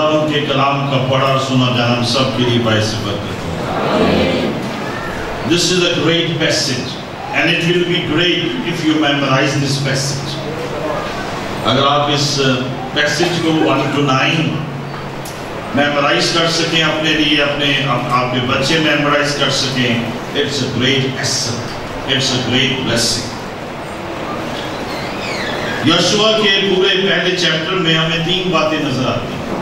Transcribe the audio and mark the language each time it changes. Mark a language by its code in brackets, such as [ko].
[hi] के कलाम का पढ़ा सुना जाना हम सब के लिए बाय से बरकत हो। [en] This is a great passage and it will be great if you memorize this passage. [hi] अगर आप इस पैसेज को 1-9 मेमोराइज कर सकें अपने लिए, अपने आपके बच्चे मेमोराइज कर सकें, [en] It's a great asset, it's a great blessing. [hi] यशुआ के पूरे पहले चैप्टर में हमें तीन बातें नजर आती हैं।